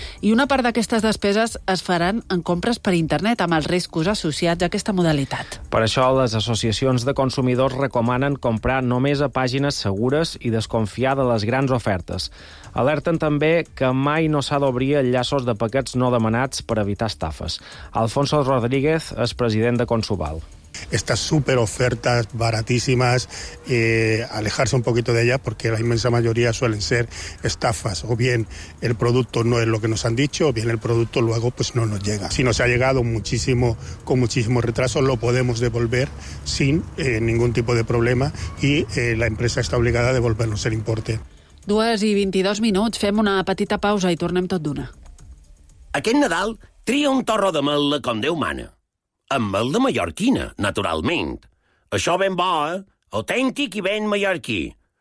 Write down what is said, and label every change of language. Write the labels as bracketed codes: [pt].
[ca] I una part d'aquestes despeses es faran en compres per internet, amb els riscos associats a aquesta modalitat. Per això, les associacions de consumidors recomanen comprar només a pàgines segures i desconfiar de les grans ofertes. Alerten també que mai no s'ha d'obrir enllaços de paquets no demanats per evitar estafes. Alfonso Rodríguez és president de Consubal. [es] Estas super ofertas baratísimas, alejarse un poquito de ellas, porque la inmensa mayoría suelen ser estafas. O bien el producto no es lo que nos han dicho, o bien el producto luego pues no nos llega. Si nos ha llegado muchísimo, con muchísimo retraso, lo podemos devolver sin ningún tipo de problema y la empresa está obligada a devolvernos el importe. [ca] 2:22, fem una petita pausa i tornem tot d'una. Aquest Nadal tria un torró de mel·la com Déu mana. Amb el de mallorquina, naturalment. Això ben bo, eh? Autèntic i ben mallorquí.